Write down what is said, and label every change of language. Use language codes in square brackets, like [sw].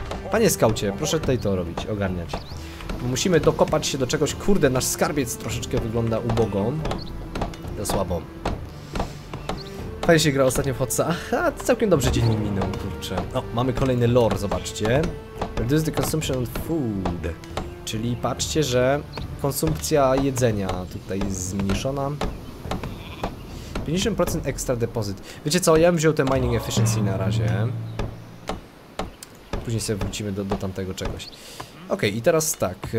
[pl] Panie scoucie, proszę tutaj to robić, ogarniać. Musimy dokopać się do czegoś, kurde, nasz skarbiec troszeczkę wygląda ubogo. To słabo. Fajnie się gra ostatnio w Hotsa. A całkiem dobrze dzień mi minął, kurczę. O, mamy kolejny lore, zobaczcie. [en] Reduce the consumption of food. [pl] Czyli patrzcie, że konsumpcja jedzenia tutaj jest zmniejszona. [en] 50% extra deposit. [pl] Wiecie co, ja bym wziął te mining efficiency na razie. Później sobie wrócimy do tamtego czegoś. Okej, i teraz tak.